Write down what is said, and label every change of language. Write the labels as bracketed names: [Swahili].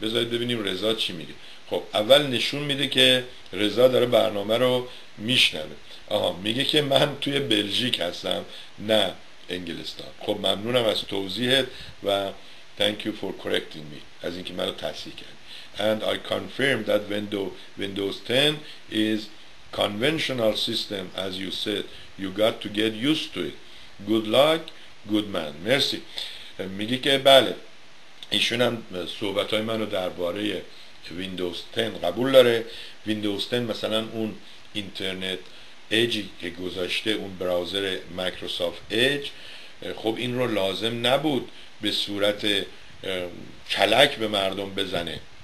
[Persian] بذارید ببینیم رضا چی میگه. خب اول نشون میده که رضا داره برنامه رو میشنوه. آها میگه که من توی بلژیک هستم نه انگلستان. خب ممنونم از توضیحت و [English] thank you for correcting me، [Persian] از اینکه منو تصحیح کردی. [English] And I confirm that Windows 10 is conventional system as you said. You got to get used to it. Good luck, good man. مرسی. [Persian] میگه که بله، ایشون هم صحبتهای منو درباره ویندوز 10 قبول داره. ویندوز 10 مثلا اون اینترنت ایجی که گذاشته، اون براوزر مایکروسافت ایج، خب این رو لازم نبود به صورت کلک به مردم بزنه.